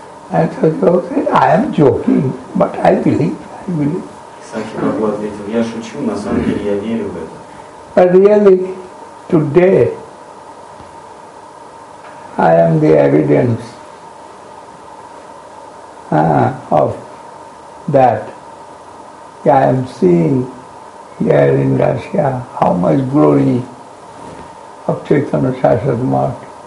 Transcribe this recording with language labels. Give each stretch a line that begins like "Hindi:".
English: And Saki Babu said, I am joking, but I believe.
Russian: Saki Babu ответил, я шучу, на самом деле я верю в это.
English: But really, today, I am the evidence of that. I am seeing here in Russia, how much glory of Chaitanya Sarasvati Mart.